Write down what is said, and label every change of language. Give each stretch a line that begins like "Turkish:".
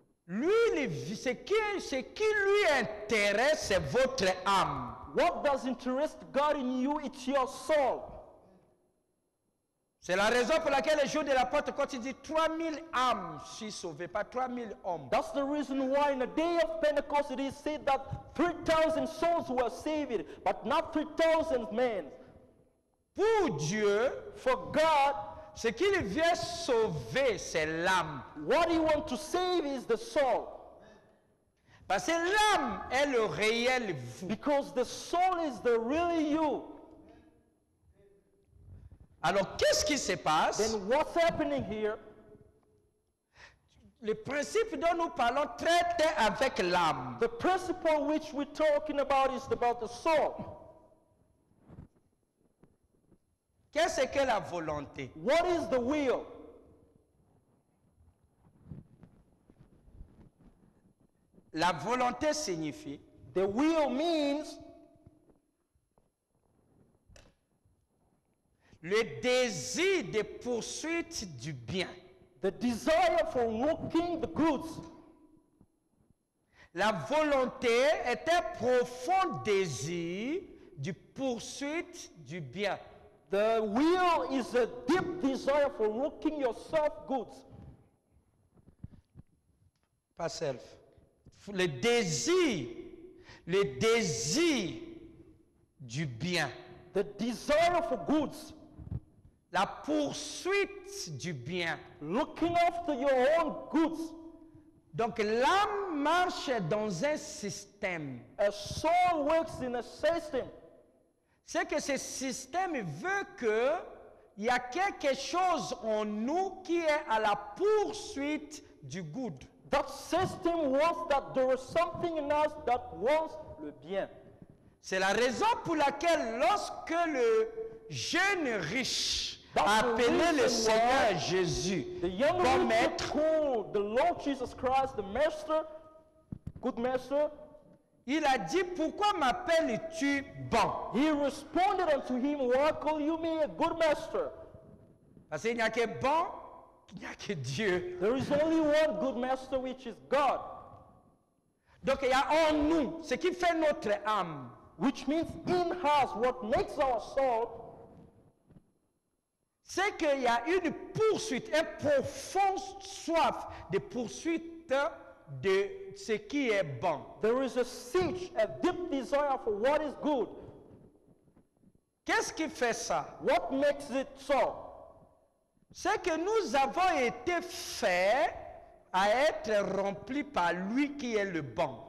French: Lui, ce qui lui intéresse, c'est votre âme.
English: What does interest God in you? It's your soul.
French: C'est la raison pour laquelle le jour de la porte, quand il dit 3000 âmes sont sauvées, pas 3000 hommes.
English: That's the reason why in the day of Pentecost it is said that 3000 souls were saved, but not 3000 men.
French: Pour Dieu,
English: for God,
French: ce qu'il vient sauver, c'est l'âme.
English: What he wants to save is the soul.
French: Parce que l'âme est le réel vous.
English: Because the soul is the real you.
French: Alors, qu'est-ce qui se passe?
English: Then what's happening here?
French: Le principe dont nous parlons traite avec l'âme.
English: The principle which we're talking about is about the soul.
French: Qu'est-ce que la volonté?
English: What is the will?
French: La volonté signifie.
English: The will means.
French: Le désir de poursuite du bien.
English: The desire for working the goods.
French: La volonté est un profond désir de poursuite du bien.
English: The will is a deep desire for working yourself goods.
French: Pas self. Le désir du bien.
English: The desire for goods.
French: La poursuite du bien.
English: Looking after your own goods.
French: Donc l'âme marche dans un système.
English: A soul works in a system.
French: C'est que ce système veut que il y a quelque chose en nous qui est à la poursuite du good.
English: That system wants that there is something in us that wants le bien.
French: C'est la raison pour laquelle lorsque le jeune riche appelait le Seigneur Jésus,
English: bon maître, the Lord Jesus Christ, the master, good master,
French: il a dit, pourquoi m'appelles-tu bon?
English: He responded unto him, why call you me a good master?
French: Parce qu'il n'y a que bon, il n'y a que Dieu.
English: There is only one good master, which is God.
French: Donc il y a en nous, ce qui fait notre âme.
English: Which means in us, what makes our soul.
French: C'est qu'il y a une poursuite, une profonde soif de poursuite de ce qui est bon.
English: There is a siege, a deep desire for what is good.
French: Qu'est-ce qui fait ça?
English: What makes it so?
French: C'est que nous avons été faits à être remplis par lui qui est le bon.